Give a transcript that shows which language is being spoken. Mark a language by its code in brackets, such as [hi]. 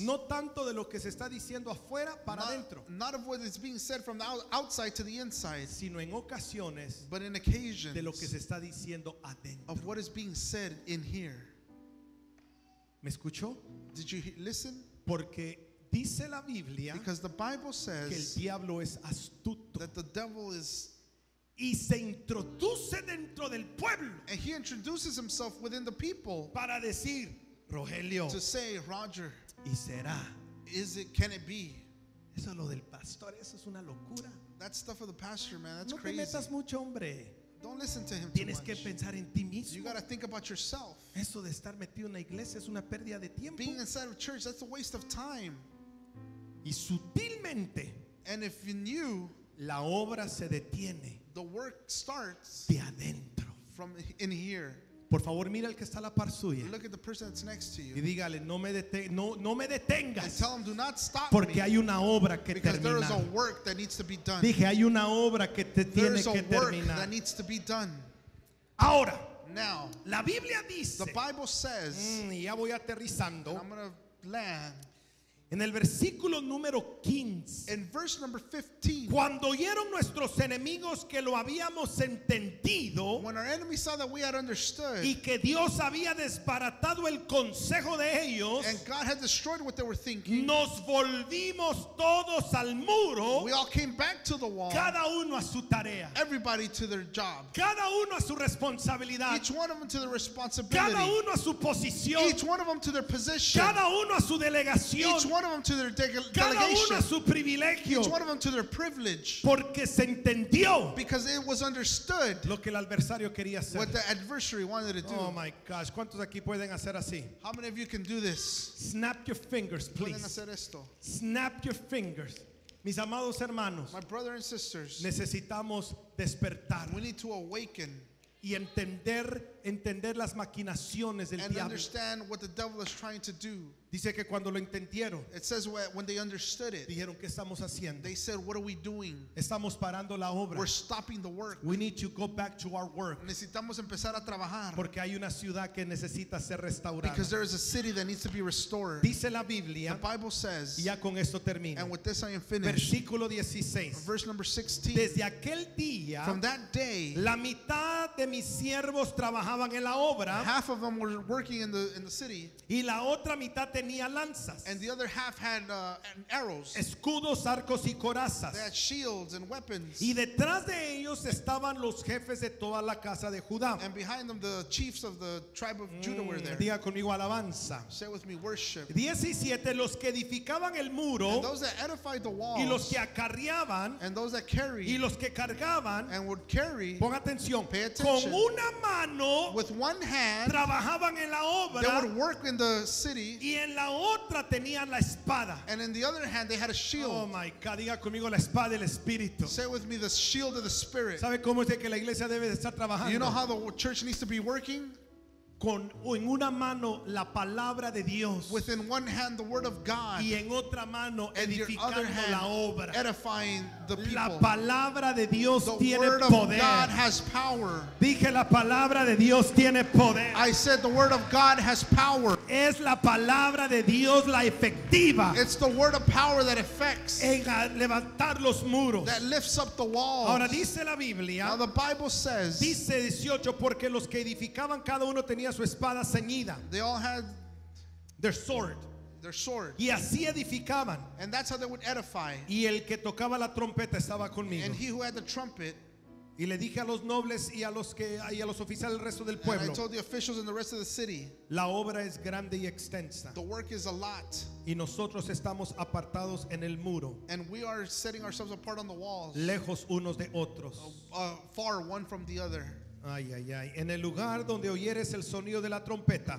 [es] no tanto de lo que se está diciendo afuera para adentro, [en] not of what is being said from the outside to the inside, [es] sino en ocasiones, [en] but in occasions, [es] de lo que se está diciendo adentro, [en] of what is being said in here. [es] ¿Me escuchó? [en] Did you listen? [es] Porque dice la Biblia, [en] because the Bible says, [es] que el diablo es astuto, [en] that the devil is, [es] y se introduce dentro del pueblo, [en] and he introduces himself within the people, [es] para decir, Rogelio, [en] to say, Roger, [es] y será, [en] is it, can it be? [es] Eso es lo del pastor, eso es una locura. [en] That stuff of the pastor, man, that's [es] no [en] crazy. [es] No te metas mucho, hombre. [en] Don't listen to him. [es] Tienes [en] too much. [es] Que pensar en ti mismo. [en] You gotta think about yourself. [es] Eso de estar metido en la iglesia es una pérdida de tiempo. [en] Being inside of church, that's a waste of time. [es] Y sutilmente, [en] and if you knew, [es] la obra se detiene. [en] The work starts [es] de adentro. [en] From in here. [es] Por favor, mira el que está a la par suya. [en] Look at the person that's next to you. [es] Y dígale, no me detengas. [en] And tell him, do not stop. [es] Porque hay una obra que terminar. [en] Because there is a work that needs to be done. [es] Dije, hay una obra que te tiene que terminar. [en] There is a work that needs to be done. [es] Ahora. [en] Now. [es] La Biblia dice. [en] The Bible says. [es] Y ya voy aterrizando. [en] I'm gonna land. [es] En el versículo número 15. [en] In verse number 15. [es] Cuando oyeron nuestros enemigos que lo habíamos entendido, [en] when our enemies saw that we had understood, [es] y que Dios había desbaratado el consejo de ellos, [en] and God had destroyed what they were thinking, [es] nos volvimos todos al muro. [en] We all came back to the wall. [es] Cada uno a su tarea. [en] Everybody to their job. [es] Cada uno a su responsabilidad. [en] Each one of them to their responsibility. [es] Cada uno a su posición. [en] Each one of them to their position. [es] Cada uno a su delegación. [en] Each one of them to their delegation. [es] Cada uno a su privilegio. [en] Each one of them to their privilege. [es] Porque se entendió. [en] Because it was understood. [es] Lo que el adversario quería hacer. [en] What the adversary wanted to do. Oh my gosh. [es] ¿Cuántos aquí pueden hacer así? [en] How many of you can do this? Snap your fingers, please. [es] ¿Pueden hacer esto? [en] Snap your fingers. [es] Mis amados hermanos. [en] My brother and sisters. [es] Necesitamos despertar. [en] We need to awaken. [es] Y entender las maquinaciones del [en] and And understand what the devil is trying to do. [es] Dice que cuando lo entendieron, [en] it says when they understood it, [es] dijeron, ¿qué estamos haciendo? [en] They said, what are we doing? [es] Estamos parando la obra. [en] We're stopping the work. We need to go back to our work. [es] Necesitamos empezar a trabajar. Porque hay una ciudad que necesita ser restaurada. [en] Because there is a city that needs to be restored. [es] Dice la Biblia, [en] the Bible says, [es] y ya con esto termino. [en] And with this I am finished. [es] Versículo 16. [en] Verse number 16. [es] Desde aquel día, [en] from that day, [es] la mitad de mis siervos trabajaban en la obra. [en] Half of them were working in the city. [es] Y la otra mitad tenía tenía lanzas. [en] And the other half had arrows. [es] Escudos, arcos y corazas. [en] They had shields and weapons. [es] Y detrás de ellos estaban los jefes de toda la casa de Judá. [en] And behind them the chiefs of the tribe of Judah were there. [es] Diga conmigo alabanza. [en] Say with me worship. [es] 17, los que edificaban el muro. [en] And those that edified the walls. [es] Y los que acarreaban. [en] And those that carried. [es] Y los que cargaban. [en] And would carry. [es] Pon atención. [en] Pay attention. [es] Con una mano. [en] With one hand. [es] Trabajaban en la obra. [en] They would work in the city. [es] Y en la otra tenían la espada. [en] And in the other hand they had a shield. Oh my God, [es] diga conmigo la espada del espíritu. [en] Say with me the shield of the spirit. [es] ¿Sabe cómo es que la iglesia debe estar trabajando? [en] You know how the church needs to be working? [es] Con en una mano la palabra de Dios. [en] With in one hand the word of God. [es] Y en otra mano edificando la obra. [en] Edifying the people. [es] La palabra de Dios tiene poder. [en] The word of God has power. [es] Dije la palabra de Dios tiene poder. [en] I said the word of God has power. [es] Es la palabra de Dios la efectiva. [en] It's the word of power that affects. [es] En levantar los muros. [en] That lifts up the walls. [es] Ahora dice la Biblia. [en] Now the Bible says. [es] Dice 18 porque los que edificaban cada uno tenía su espada ceñida. [en] They all had their sword. Their sword. [es] Y así edificaban. [en] And that's how they would edify. [es] Y el que tocaba la trompeta estaba conmigo. [en] And he who had the trumpet. [es] Y le dije a los nobles y a los que y a los oficiales del resto del pueblo. [en] And I told the officials and the rest of the city. [es] La obra es grande y extensa. [en] The work is a lot. [es] Y nosotros estamos apartados en el muro. [en] And we are setting ourselves apart on the walls. [es] Lejos unos de otros. [en] Far one from the other. Ay, ay, ay. [es] En el lugar donde oyeres el sonido de la trompeta.